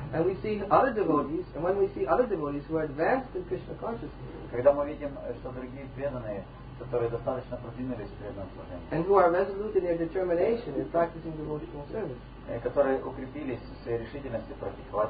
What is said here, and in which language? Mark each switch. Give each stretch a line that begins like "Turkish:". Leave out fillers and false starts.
English: And we see other devotees, and when we see other devotees who are advanced in Krishna consciousness.
Russian: Когда мы видим, что другие преданные, которые достаточно продвинулись в преданном служении.
English: And who are resolute in their determination in practicing devotional service.
Russian: Которые укрепились в своей решительности практиковать